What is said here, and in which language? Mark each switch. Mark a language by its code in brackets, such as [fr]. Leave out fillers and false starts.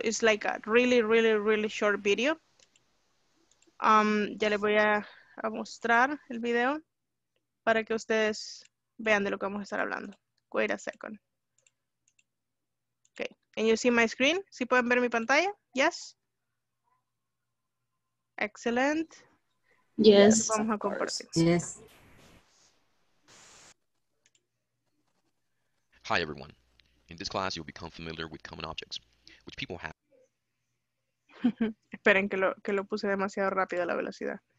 [en] It's like a really, really, really short video. [es] Ya les voy a mostrar el video. Para que ustedes vean de lo que vamos a estar hablando. [en] Wait a second. Okay. Can you see my screen? [es] ¿Sí pueden ver mi pantalla? [en] Yes. Excellent. Yes. [es] Vamos a compartir. [en] Yes. Hi everyone. In this class you'll become familiar with common objects, which people have. [es] Esperen que lo puse demasiado rápido la velocidad.